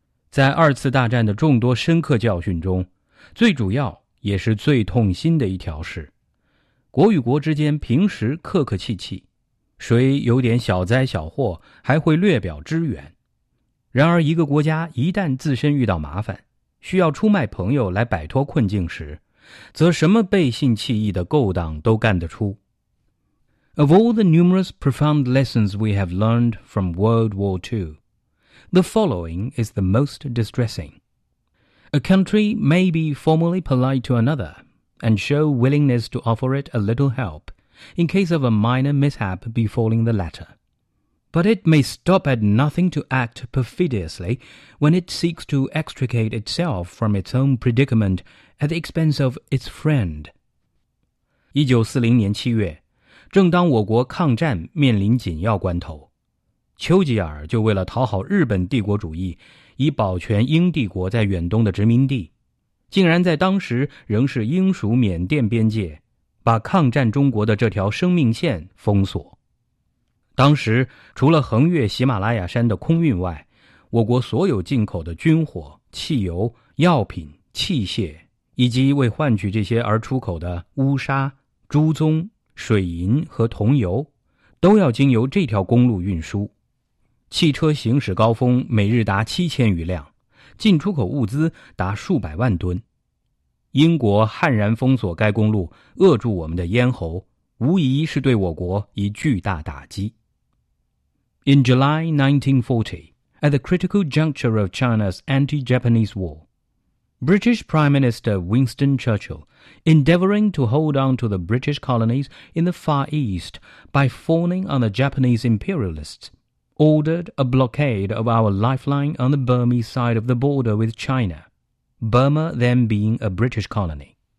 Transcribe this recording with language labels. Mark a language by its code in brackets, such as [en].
[zh] 在二次大战的众多深刻教训中，最主要也是最痛心的一条是，国与国之间平时客客气气，谁有点小灾小祸还会略表支援。然而一个国家一旦自身遇到麻烦，需要出卖朋友来摆脱困境时，则什么背信弃义的勾当都干得出。 [en] Of all the numerous profound lessons we have learned from World War II, the following is the most distressing. A country may be formally polite to another and show willingness to offer it a little help in case of a minor mishap befalling the latter. But it may stop at nothing to act perfidiously when it seeks to extricate itself from its own predicament at the expense of its friend. [zh] 1940年7月，正当我国抗战面临紧要关头，丘吉尔就为了讨好日本帝国主义，以保全英帝国在远东的殖民地，竟然在当时仍是英属缅甸边界，把抗战中国的这条生命线封锁。当时除了横越喜马拉雅山的空运外，我国所有进口的军火、汽油、药品、器械，以及为换取这些而出口的乌砂、朱棕、水银和铜油，都要经由这条公路运输。汽车行驶高峰每日达7000余辆，进出口物资达数百万吨。英国悍然封锁该公路，扼住我们的咽喉，无疑是对我国一巨大打击。 [en] In July 1940, at the critical juncture of China's anti-Japanese war, British Prime Minister Winston Churchill, endeavoring to hold on to the British colonies in the Far East by fawning on the Japanese imperialists, ordered a blockade of our lifeline on the Burmese side of the border with China, Burma then being a British colony.